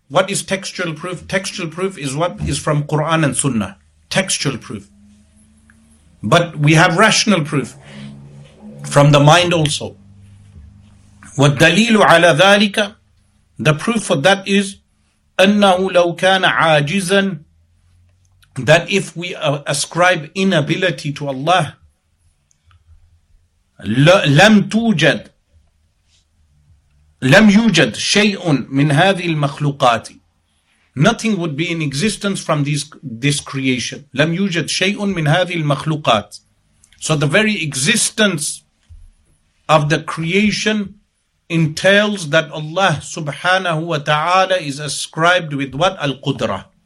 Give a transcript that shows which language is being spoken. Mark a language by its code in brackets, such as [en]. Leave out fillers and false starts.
[en] What is textual proof? Textual proof is what is from Quran and Sunnah. Textual proof. But we have rational proof from the mind also. [ar] وَالدَّلِيلُ عَلَى ذَلِكَ. [en] The proof for that is [ar] أَنَّهُ لَوْ كَانَ عَاجِزًا. [en] That if we ascribe inability to Allah, [ar] لَمْ تُوجَدْ لَمْ يُوجَدْ شَيْءٌ مِنْ هَذِهِ الْمَخْلُوقَاتِ. [en] Nothing would be in existence from this creation. [ar] لَمْ يُوجَدْ شَيْءٌ مِنْ هَذِهِ الْمَخْلُوقَاتِ. [en] So the very existence of the creation entails that Allah subhanahu wa ta'ala is ascribed with what? Al-Qudra.